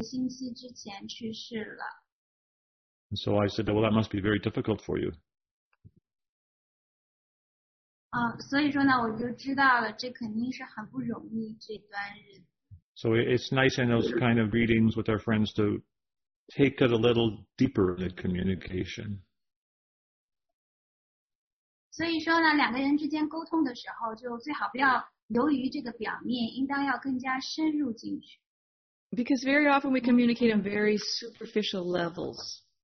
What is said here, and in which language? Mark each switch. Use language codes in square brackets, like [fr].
[zh] 然后他就说呢,我哥哥几个星期之前去世了。 [en] So I said, well, that must be very difficult for you. [zh] 所以说呢,我就知道了,这肯定是很不容易,这段日子。 [en] So it's nice in those kind of readings with our friends to take it a little deeper in the communication. [zh] 所以说呢,两个人之间沟通的时候,就最好不要 由于这个表面,应当要更加深入进去。 [en] Because very often we communicate on very superficial levels.